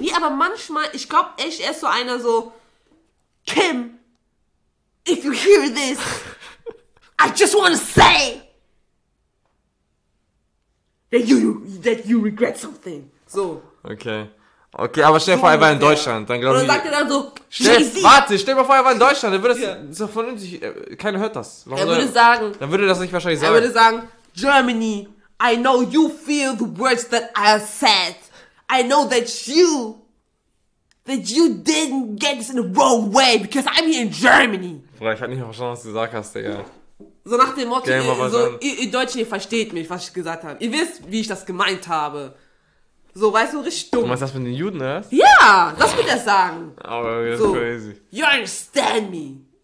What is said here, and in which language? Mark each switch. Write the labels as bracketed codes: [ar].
[de] Nee, aber manchmal, ich glaube echt, er ist so einer so, [en] Kim, if you hear this, I just wanna say that you regret something. [de] So. Okay. Okay, aber stell dir vor, er war in Deutschland, dann glaube ich. Oder sagt er dann so, stell dir mal vor, er war in Deutschland, dann würde das. Ist doch vernünftig, keiner hört das. Warum er würde sagen. Dann würde das nicht wahrscheinlich sagen. Er würde sagen, [en] Germany, I know you feel the words that I said. I know that you didn't get this in the wrong way, because I'm here in Germany. [de] Bruder, ich hab nicht verstanden, was du gesagt hast, Digga. So nach dem Motto, ihr Deutschen, ihr versteht mich, was ich gesagt habe. Ihr wisst, wie ich das gemeint habe. So, weißt du, richtig dumm. Du meinst das mit den Juden, oder? Ja, das will er sagen. Aber das ist so [en] crazy. You understand me.